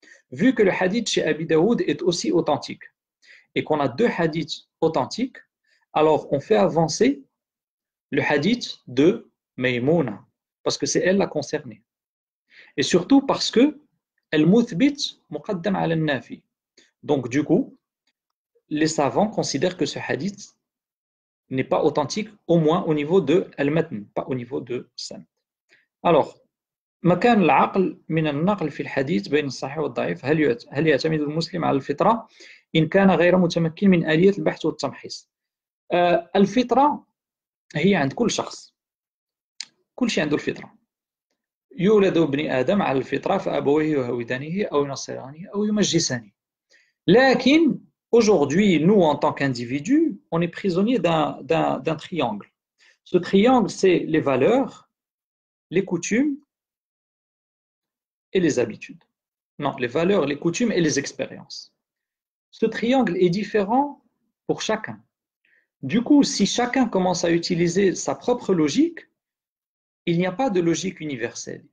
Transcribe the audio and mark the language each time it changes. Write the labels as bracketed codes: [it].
[fr] Vu que le hadith chez Abi Daoud est aussi authentique et qu'on a deux hadiths authentiques, alors on fait avancer le hadith de Maimouna, parce que c'est elle la concernée. Et surtout parce que [ar] al-muthbit muqaddam al-nafi. [fr] Donc, du coup, les savants considèrent que ce hadith n'est pas authentique, au moins au niveau de al-matn, pas au niveau de sanad. [ar] Alors, مكان العقل من النقل في الحديث بين الصحيح والضعيف هل يعتمد المسلم على الفطرة إن كان غير متمكن من آلية البحث والتمحيص؟ الفطرة هي عند كل شخص، كل شيء عنده الفطرة، يولد ابن آدم على الفطرة فأبويه يهودانه أو ينصرانه أو يمجسانه، لكن [fr] aujourd'hui nous en tant qu'individus on est prisonnier d'un triangle. Ce triangle c'est les valeurs, les coutumes et les habitudes. Non, les valeurs, les coutumes et les expériences. Ce triangle est différent pour chacun. Du coup, si chacun commence à utiliser sa propre logique, il n'y a pas de logique universelle.